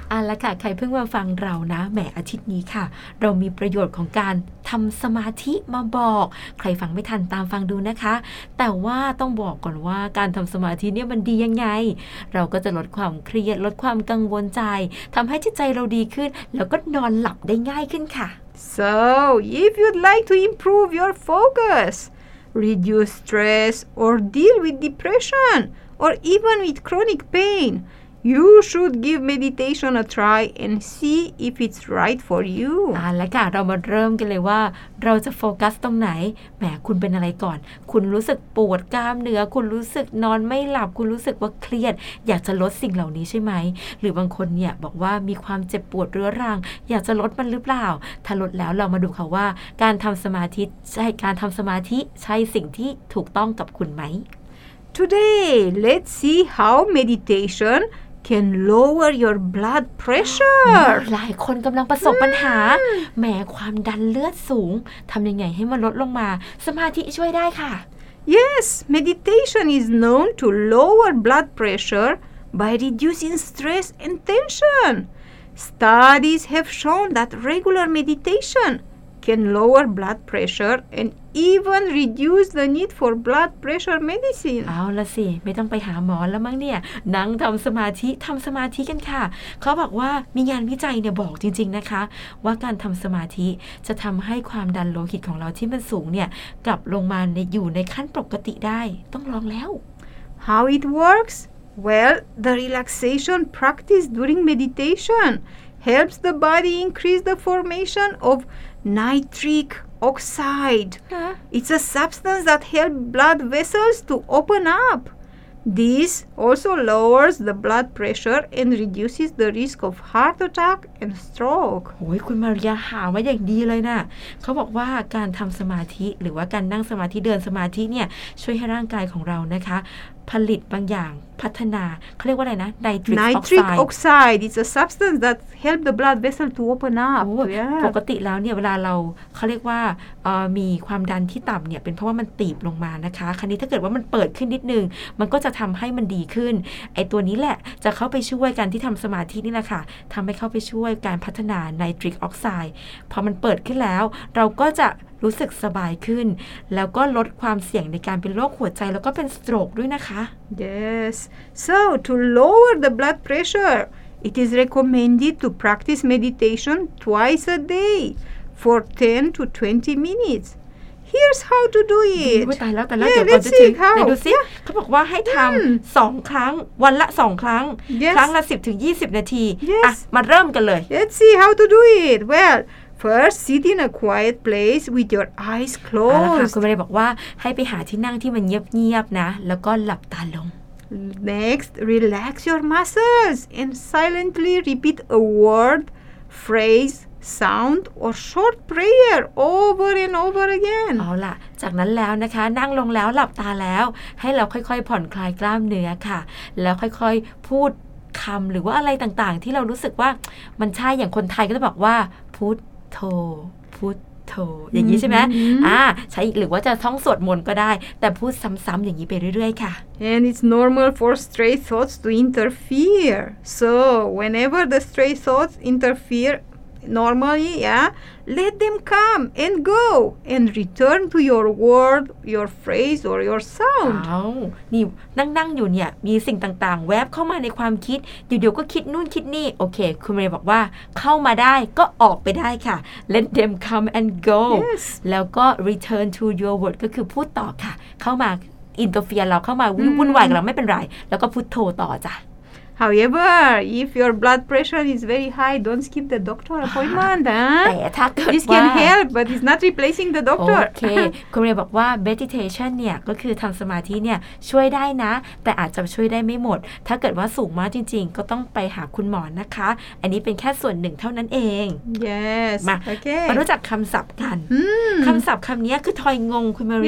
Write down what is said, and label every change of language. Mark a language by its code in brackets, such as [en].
[th] อะละค่ะใครเพิ่งมาฟังเรานะแหมอาทิตย์นี้ค่ะเรามีประโยชน์ของการทำสมาธิมาบอกใครฟังไม่ทันตามฟังดูนะคะแต่ว่าต้องบอกก่อนว่าการทำสมาธิเนี่ยมันดียังไงเราก็จะลดความเครียดลดความกังวลใจทำให้จิตใจเราดีขึ้นแล้วก็นอนหลับได้ง่ายขึ้นค่ะ [en] So, if you'd like to improve your focusReduce stress or deal with depression or even with chronic pain. You should give meditation a try and see if it's right for you. [th] แล้วค่ะเรามาเริ่มกันเลยว่าเราจะโฟกัสตรงไหนแหมคุณเป็นอะไรก่อนคุณรู้สึกปวดกล้ามเนื้อคุณรู้สึกนอนไม่หลับคุณรู้สึกว่าเครียดอยากจะลดสิ่งเหล่านี้ใช่ไหมหรือบางคนเนี่ยบอกว่ามีความเจ็บปวดเรื้อรังอยากจะลดมันหรือเปล่าถ้าลดแล้วเรามาดูค่ะว่าการทำสมาธิใช่การทำสมาธิใช่สิ่งที่ถูกต้องกับคุณไหม [en] Today let's see how meditationcan lower your blood pressure [th] หลายคนกำลังประสบปัญหาแม้ความดันเลือดสูงทำยังไงให้มันลดลงมาสมาธิช่วยได้ค่ะ [en] Yes, meditation is known to lower blood pressure by reducing stress and tension. Studies have shown that regular meditation can lower blood pressure and even reduce the need for blood pressure medicine. [th] เอาล่ะสิไม่ต้องไปหาหมอแล้วมั้งเนี่ยนั่งทำสมาธิทำสมาธิกันค่ะเขาบอกว่ามีงานวิจัยเนี่ยบอกจริงๆนะคะว่าการทำสมาธิจะทำให้ความดันโลหิตของเราที่มันสูงเนี่ยกลับลงมาในอยู่ในขั้นปกติได้ต้องลองแล้ว [en] How it works? Well, the relaxation practice during meditation helps the body increase the formation ofNitric oxide. Huh? It's a substance that helps blood vessels to open up. This also lowers the blood pressure and reduces the risk of heart attack and stroke. [th] โอ้ยคุณมาริยาหาว่าอย่างดีเลยนะเขาบอกว่าการทำสมาธิหรือว่าการนั่งสมาธิเดินสมาธิเนี่ยช่วยให้ร่างกายของเรานะคะผลิตบางอย่างพัฒนาเขาเรียกว่าอะไรนะ [en] Nitric oxide it's a substance that help the blood vessel to open up [th] ปกติแล้วเนี่ยเวลาเราเขาเรียกว่ามีความดันที่ต่ำเนี่ยเป็นเพราะว่ามันตีบลงมานะคะคราวนี้ถ้าเกิดว่ามันเปิดขึ้นนิดนึงมันก็จะทำให้มันดีขึ้นไอตัวนี้แหละจะเข้าไปช่วยการที่ทำสมาธินี่แหละค่ะทำให้เข้าไปช่วยการพัฒนา nitric oxide พอมันเปิดขึ้นแล้วเราก็จะรู้สึกสบายขึ้นแล้วก็ลดความเสี่ยงในการเป็นโรคหัวใจแล้วก็เป็นสโตรกด้วยนะคะ [en] Yes so to lower the blood pressure it is recommended to practice meditation twice a day for 10 to 20 minutes here's how to do it [th] ตายแล้วแต่แล้วเดี๋ยวก่อนจะถึงไหนดูซิเขาบอกว่าให้ทำ2ครั้งวันละ2ครั้งครั้งละ10ถึง20นาทีมาเริ่มกันเลย [en] Let's see how to do it wellFirst, sit in a quiet place with your eyes closed. [th] คุณบริบอกว่าให้ไปหาที่นั่งที่มันเงียบๆนะแล้วก็หลับตาลง [en] Next, relax your muscles and silently repeat a word, phrase, sound, or short prayer over and over again. [th] เอาล่ะจากนั้นแล้วนะคะนั่งลงแล้วหลับตาแล้วให้เราค่อยๆผ่อนคลายกล้ามเนื้อค่ะแล้วค่อยๆพูดคำหรือว่าอะไรต่างๆที่เรารู้สึกว่ามันใช่อย่างคนไทยก็จะบอกว่าพูดโทพูดโทอย่างนี้ใช่ไหม ใช้หรือว่าจะท่องสวดมนต์ก็ได้แต่พูดซ้ำๆอย่างนี้ไปเรื่อยๆค่ะ [en] And it's normal for stray thoughts to interfere so whenever the stray thoughts interfere normally yeah let them come and go and return to your word your phrase or your sound [th] อ้าวนี่นั่งนั่งอยู่เนี่ยมีสิ่งต่างๆแวบเข้ามาในความคิดเดี๋ยวๆก็คิดนู่นคิดนี่โอเคคุณเมย์บอกว่าเข้ามาได้ก็ออกไปได้ค่ะ [en] let them come and go yes. [th] แล้วก็ [en] return to your word [th] ก็คือพูดต่อค่ะเข้ามา interfere เราเข้ามาวุ่นวายกับเราไม่เป็นไรแล้วก็พูดโทรต่อจ้ะ [en] However, if your blood pressure is very high, don't skip the doctor appointment. This can help, but it's not replacing the doctor. Okay. [th] คุณเรียนบอกว่า meditation เนี่ยก็คือทำสมาธิเนี่ยช่วยได้นะแต่อาจจะช่วยได้ไม่หมดถ้าเกิดว่าสูงมากจริงๆก็ต้องไปหาคุณหมอนะคะอันนี้เป็นแค่ส่วนหนึ่งเท่านั้นเอง [en] Yes. [th] มา [en] okay. [th] มารู้จักคำศัพท์กันคำศัพท์คำนี้คือทอยงงคุณมาเร